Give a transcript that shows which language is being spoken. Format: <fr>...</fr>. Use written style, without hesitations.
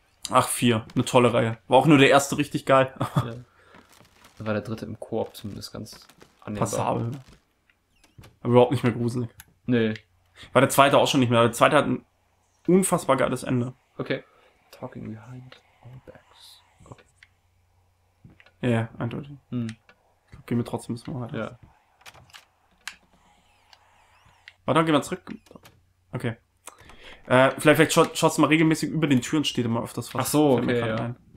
<de>Ach, 4. Eine tolle Reihe. War auch nur der erste richtig geil. Ja. War der dritte im Koop zumindest ganz annehmbar. Passabel. Aber überhaupt nicht mehr gruselig. Nee. War der zweite auch schon nicht mehr. Der zweite hat ein unfassbar geiles Ende. Okay.</de> <en>Talking behind our backs.</en> <de>Okay. Ja, yeah, eindeutig. Hm. Gehen wir trotzdem müssen wir weiter. Ja. Warte, dann gehen wir zurück. Okay. Vielleicht schaust du mal regelmäßig über den Türen, steht immer öfters was. Ach so, okay, ja.</de>